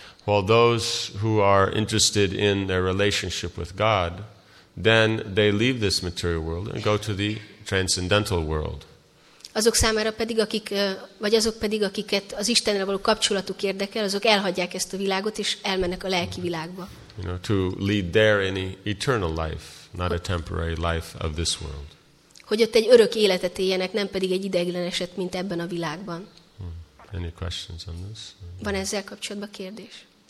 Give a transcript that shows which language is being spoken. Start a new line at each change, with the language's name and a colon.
English: While those who are interested in their relationship with God, then they leave this material world and go to the transcendental world.
Hungarian: Azok számára pedig, akik, vagy azok pedig, akiket az Istennel való kapcsolatuk érdekel, azok elhagyják ezt a világot és elmennek a lelki világba.
English: You know, to lead there in an eternal life, not a temporary life of this world.
Hungarian: Hogy ott egy örök életet éljenek, nem pedig egy ideiglenesett, mint ebben a világban.
English: Any questions on this?
Hungarian: Van ezzel kapcsolatban kérdés?